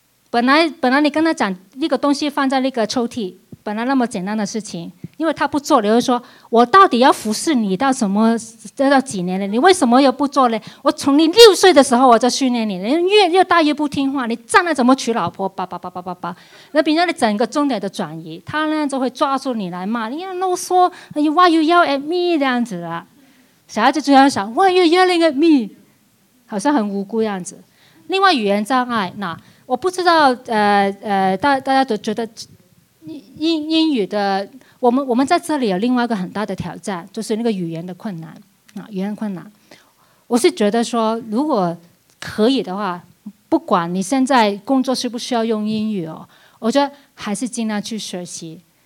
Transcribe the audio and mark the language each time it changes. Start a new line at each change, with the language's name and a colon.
Chinese: 本来你跟他讲那个东西放在那个抽屉，本来那么简单的事情，因为他不做，你会说我到底要服侍你到什么，要到几年了？你为什么又不做呢？我从你六岁的时候我就训练你，你越大越不听话，你站在怎么娶老婆？叭叭叭叭叭叭，那别人的整个重点的转移，他那样就会抓住你来骂，你要啰嗦 ，
English: Why you yell at me
Chinese: 这样子啊？小孩子就要想
English: ，Why you yelling at me？
Chinese: 好像很无辜样子。另外，语言障碍，那我不知道，大家都觉得英语的。我们在这里有另外一个很大的挑战，就是那个语言的困难啊，语言困难。我是觉得说，如果可以的话，不管你现在工作需不需要用英语哦，我觉得还是尽量去学习。